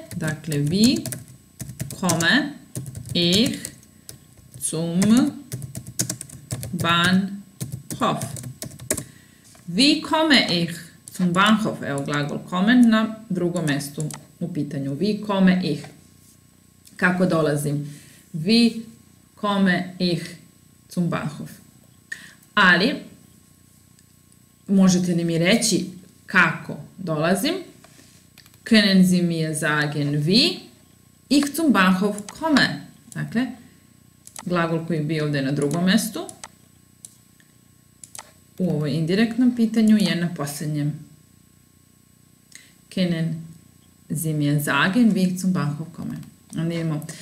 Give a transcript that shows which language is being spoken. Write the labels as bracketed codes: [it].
[bs] Dakle, [de] wie komme ich zum Bahnhof? Wie komme ich zum Bahnhof? [bs] Evo glagol kommen na drugom mjestu u pitanju. [de] Wie komme ich? [bs] Kako dolazim? [de] Wie komme ich zum Bahnhof? [bs] Ali, možete li mi reći kako dolazim? [de] Können Sie mir sagen, wie ich zum Bahnhof komme? [bs] Dakle, glagol koji bi ovdje na drugom mjestu, u ovoj indirektnom pitanju, je na posljednjem. [de] Können Sie mir sagen, wie ich zum Bahnhof komme? Nemo.